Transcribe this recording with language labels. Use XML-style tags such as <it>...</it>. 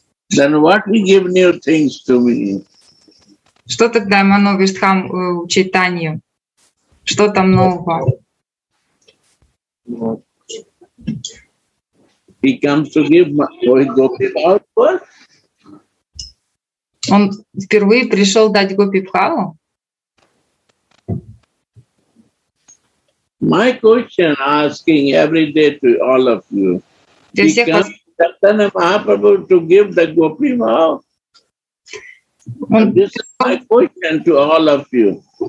<en>Then what we give new things to me?</en> <ru>Что тогда манувистхам у Чайтаньи? Что там нового?</ru> <en>He comes to give gopi bhava.</en> <ru>Он впервые пришел дать гопи бхаву?</ru> <en>My question asking every day to all of you. Chaitanya Mahaprabhu to give the gopi bhav. This is my question to all of you.</en>